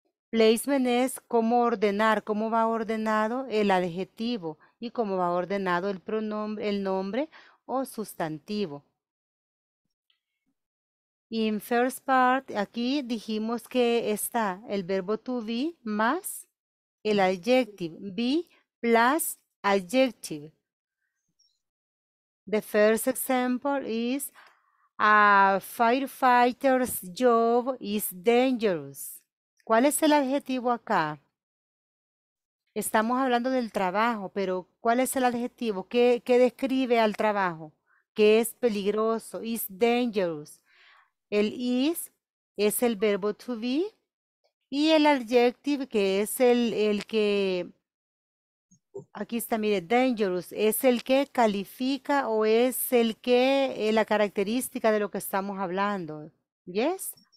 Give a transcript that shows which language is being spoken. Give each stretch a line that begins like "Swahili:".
Spanish: Placement es cómo ordenar, cómo va ordenado el adjetivo y cómo va ordenado el pronombre, el nombre o sustantivo.
English: In first part,
Spanish: aquí dijimos que está el verbo to be más el adjective,
English: be plus adjective. The first example is a firefighter's job is dangerous.
Spanish: ¿Cuál es el adjetivo acá? Estamos hablando del trabajo, pero ¿cuál es el adjetivo? ¿Qué describe al trabajo? ¿Qué es peligroso?
English: Is dangerous.
Spanish: El is es el verbo to be y el adjective que es el que, aquí está, mire, dangerous, es el que califica o es el que, la característica de lo que estamos hablando. ¿Yes?